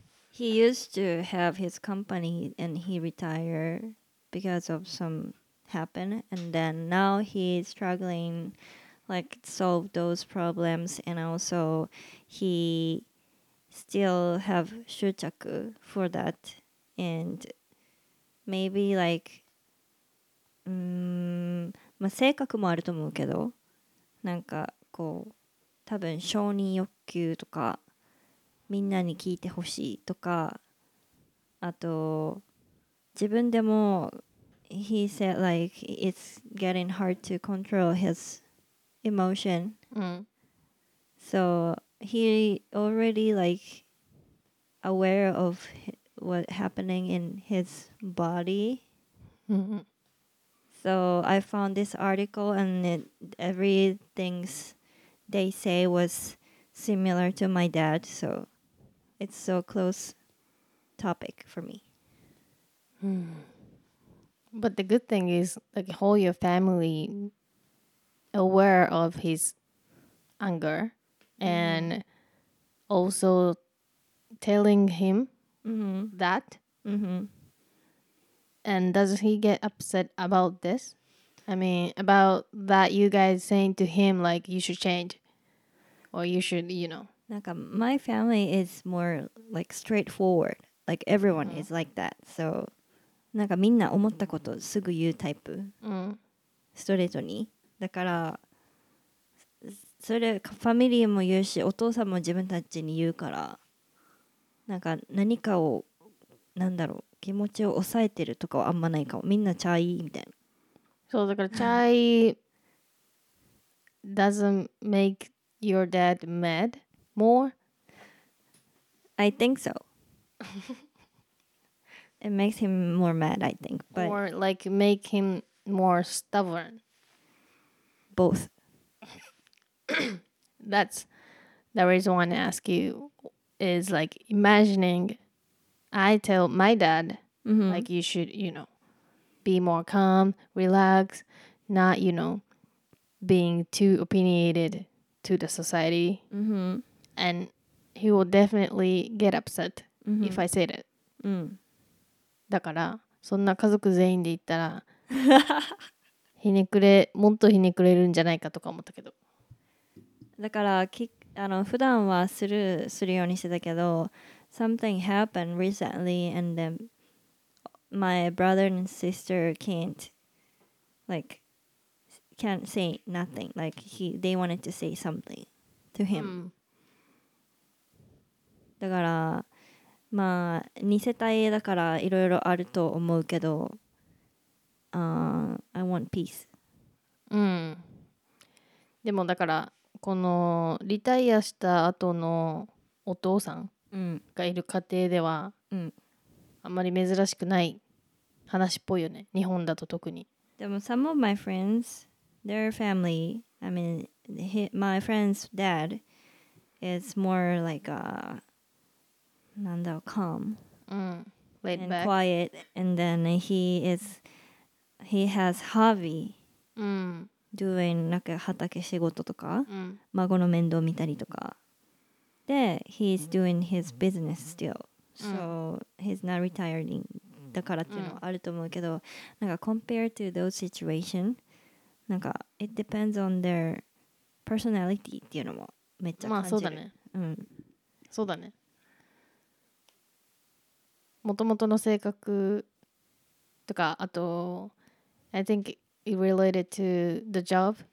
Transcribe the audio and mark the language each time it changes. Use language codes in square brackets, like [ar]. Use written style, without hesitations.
[en] He used to have his company and he retired because of some happen. And then now he's struggling, like, solve those problems. And also he still have shuchaku for that. And maybe, like, [ja] まあ性格もあると思うけど、なんかこう多分承認欲求とかみんなに聞いてほしいとか、あと自分でも [en] he said like it's getting hard to control his emotion、 [ja] うん、 [en] so he already like aware of what happening in his body、 [ja] うん、 [en] so I found this article and it, everything they say was similar to my dad, soIt's so close topic for me. Hmm. But the good thing is, like, whole your family aware of his anger and also telling him that. Mm-hmm. And does he get upset about this? I mean, about that you guys saying to him, like, you should change or you should, you know. [ja] なんか [en] my family is more like straightforward. Like everyone is like that. So, [ja] なんかみんな思ったことすぐ言うタイプ。ストレートに。だから、それファミリーも言うし、お父さんも自分たちに言うから、なんか何かを、なんだろう、気持ちを抑えてるとかはあんまないかも。みんなチャイみたいな。そう、だからチャイ [en] doesn't make your dad mad. More? I think so. It makes him more mad, I think. But or like make him more stubborn. Both. That's the reason I want to ask you is like imagining I tell my dad, like you should, you know, be more calm, relax, not, you know, being too opinionated to the society. Mm-hmm. And he will definitely get upset、mm-hmm. if I say that.、 Mm. [ja] だから、そんな家族全員で言ったら、ひねくれ、もっとひねくれるんじゃないかとか思ったけど。だから、普段はするようにしてたけど、 [en] something happened recently and then my brother and sister can't say nothing. Like, they wanted to say something to him.、Mm. [ja] だからまあ二世帯だからいろいろあると思うけど、 [en] I want peace。 [ja] うん。でもだからこのリタイアした後のお父さんがいる家庭では、うん、あんまり珍しくない話っぽいよね。日本だと特に。 [en] でも some of my friends, their family, I mean, my friend's dad is more like a... [ja] なんだろう、calm、 [en] laid and back. quiet, and then he has hobby、doing [ja] なんか畑仕事とか、孫の面倒見たりとか、で [en] he's doing his business still, so、he's not retiring [ja] だからっていうのはあると思うけど、なんか [en] compared to those situation, なんか it depends on their personality [ja] っていうのもめっちゃ感じる。まあそうだね。そうだね。元々の性格とかあと [en] I think it related to the job、